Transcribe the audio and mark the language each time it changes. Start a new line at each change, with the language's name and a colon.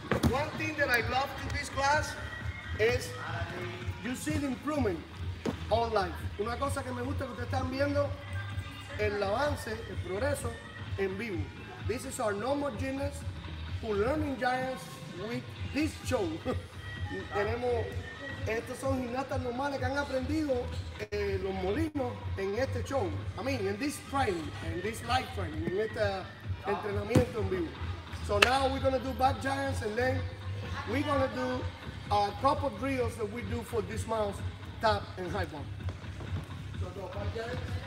English: One thing that I love in this class is you see the improvement online.
Spanish: Una cosa que me gusta que ustedes están viendo el avance, el progreso en vivo.
English: This is our normal gymnast who learning giants with this show.
Spanish: Tenemos, estos son gimnastas normales que han aprendido los molinos en este show.
English: I mean, in this training, in this live training,
Spanish: en este entrenamiento en vivo.
English: So now we're gonna do back giants and then we're gonna do a couple drills that we do for this mouse, tap and high bump. So go back giants.